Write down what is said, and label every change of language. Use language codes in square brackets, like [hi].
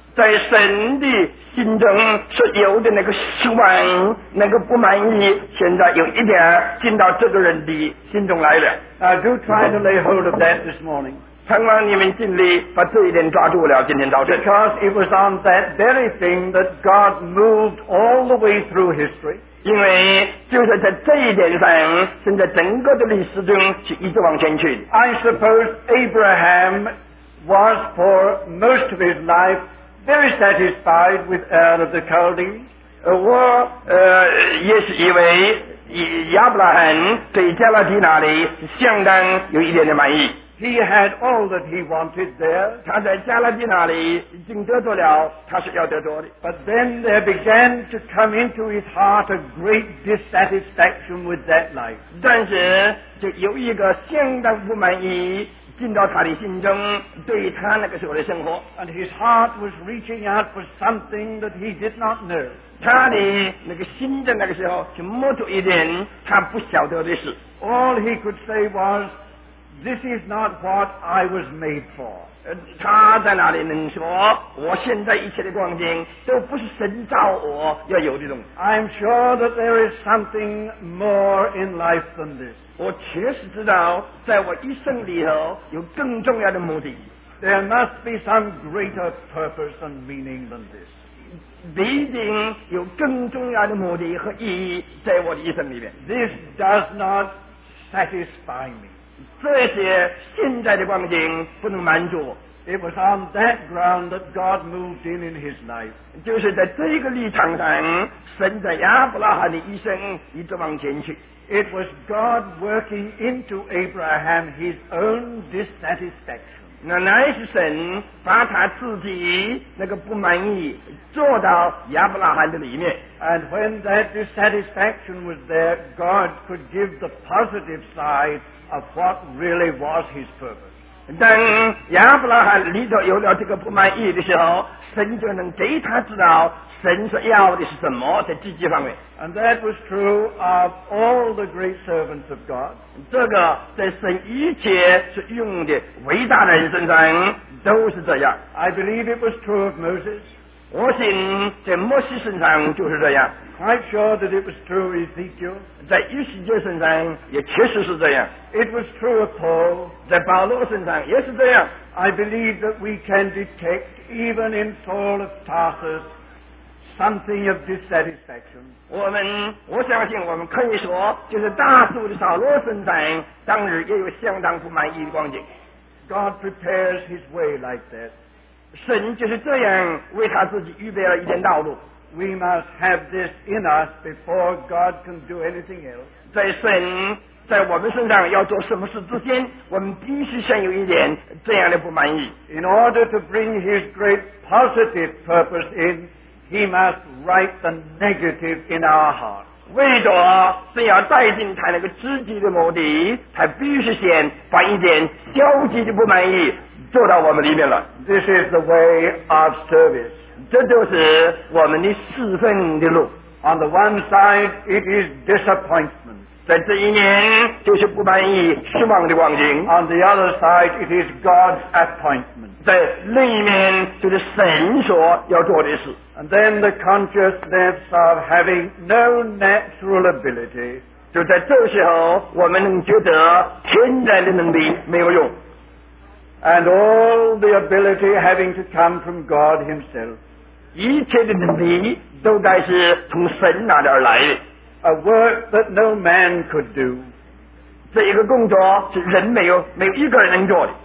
[zh] 在神的心中所有的那个失望，那个不满意，现在有一点进到这个人的心中来了。 [en] Now do try to lay hold of that this morning. [zh] 盼望你们尽力把这一点抓住了，今天早晨。 [en] Because it was on that very thing that God moved all the way through history. [zh] 因为就是在这一点上，现在整个的历史中是一直往前去的。 [en] I suppose Abraham was for most of his life very satisfied with Ur of the Chaldees. [zh] 我也是以为亚伯拉罕对加勒底那里相当有一点的满意。 [en] He had all that he wanted there. [zh] 他在加勒比那里已经得到了他是要得到的。 [en] But then there began to come into his heart a great dissatisfaction with that life. [zh] 但是就有一个相当不满意进到他的心中，对他那个时候的生活。 [en] And his heart was reaching out for something that he did not know. [zh] 他的那个心中那个时候是摸着一点他不晓得的事。 [en] All he could say was,This is not what I was made for. [zh] 他在那里能说，我现在一切的光景都不是神造我要有的东西。 [en] I'm sure that there is something more in life than this. [zh] 我确实知道，在我一生里头有更重要的目的。 [en] There must be some greater purpose and meaning than this. [zh] 必定有更重要的目的和意义在我的一生里面。 [en] This does not satisfy me. [zh] 这些现在的光景不能满足。 [en] It was on that ground that God moved in his life. [zh] 就是在这个立场上，神在亚伯拉罕的一生一直往前去。 [en] It was God working into Abraham his own dissatisfaction. [zh] 那乃是神把他自己那个不满意做到亚伯拉罕的里面。 [en] And when that dissatisfaction was there, God could give the positive side. Of what really was his purpose. [zh] 当亚伯拉罕里头有了这个不满意的时候，神就能给他知道神所要的是什么，在积极方面。 [en] And that was true of all the great servants of God. [zh] 这个在神一切所用的伟大的人身上都是这样。 [en] I believe it was true of Moses. [zh] 我信在摩西身上就是这样。 [en] Quite sure that it was true of Ezekiel. [zh] 在以西结身上也确实是这样。 [en] It was true of Paul. [zh] 在保罗身上也是这样。 [en] I believe that we can detect, even in Saul of Tarsus, something of dissatisfaction. [zh] 我相信我们可以说，就是大数的扫罗身上，当日也有相当不满意的光景。 [en] God prepares his way like that. [zh] 神就是这样为他自己预备了一点道路。 [en] We must have this in us before God can do anything else. [zh] 在神在我们身上要做什么事之前，我们必须先有一点这样的不满意。 [en] In order to bring His great positive purpose in, He must write the negative in our heart. [zh] 为着是要带进他那个积极的目的，他必须先把一点消极的不满意做到我们里面了。 [en] This is the way of service. [zh] 这就是我们的侍奉的路。 [en] On the one side, it is disappointment. [zh] 在这一年，就是不满意、失望的光景。 [en] On the other side, it is God's appointment. [zh] 在另一面，就是神所要做的事。 [en] And then the consciousness of having no natural ability. [zh] 就在这时候，我们能觉得天然的能力没有用。 [en] And all the ability having to come from God Himself. [zh] 一切的能力都该是从神那里来的。 [en] A work that no man could do. [zh] 这一个工作是人没有一个人能做的。